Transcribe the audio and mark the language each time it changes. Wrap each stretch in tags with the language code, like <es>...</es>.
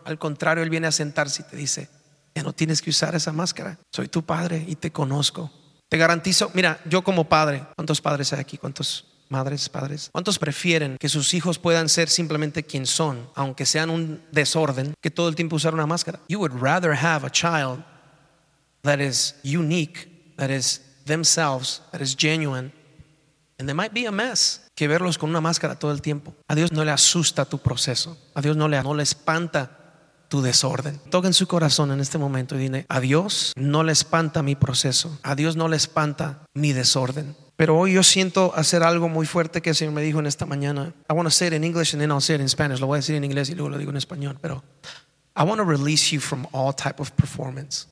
<es>Al contrario, Él viene a sentarse y te dice, ya no tienes que usar esa máscara. Soy tu padre y te conozco. Te garantizo, mira, yo como padre, ¿cuántos padres hay aquí? ¿Cuántos madres, padres? ¿Cuántos prefieren que sus hijos puedan ser simplemente quien son, aunque sean un desorden, que todo el tiempo usar una máscara?</es> <en>You would rather have a child that is unique, that is themselves, that is genuine, and they might be a mess,</en> <es>que verlos con una máscara todo el tiempo. A Dios no le asusta tu proceso. A Dios no le espanta tu desorden. Toquen su corazón en este momento y dile, a Dios no le espanta mi proceso. A Dios no le espanta mi desorden. Pero hoy yo siento hacer algo muy fuerte que el Señor me dijo en esta mañana.</es> <en>I want to say it in English and then I'll say it in Spanish.</en> <es>Lo voy a decir en inglés y luego lo digo en español, pero</es> <en>I want to release you from all type of performance.</en>